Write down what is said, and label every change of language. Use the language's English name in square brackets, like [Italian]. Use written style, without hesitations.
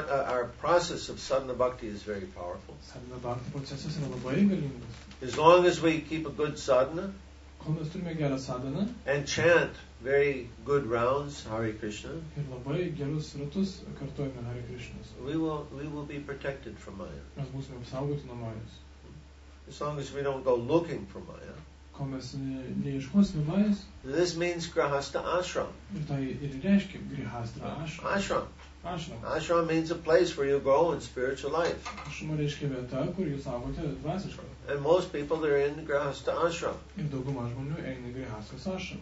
[English] Our process of sadhana bhakti is very powerful. [Lithuanian] Sadhana bhakti procesas yra labai galingas. [English] As long as we keep a good sadhana, [Lithuanian] Kol mes turime gerą sadaną. [English] And chant very good rounds, Hare Krishna. [Lithuanian] Ir labai gerus ratus kartojame Hare Krishna. [English] We will be protected from Maya. [Lithuanian] Mes būsime apsaugoti nuo Majos. [English] As long as we don't go looking for Maya. [Lithuanian] Kol mes neieškosime Majos. [English] This means grihastha ashram. [Lithuanian] Ir tai ir reiškia grihastha ashram. [English] Ashram. Ashram means a place where you grow in spiritual life. And most people are in grihastha ashram.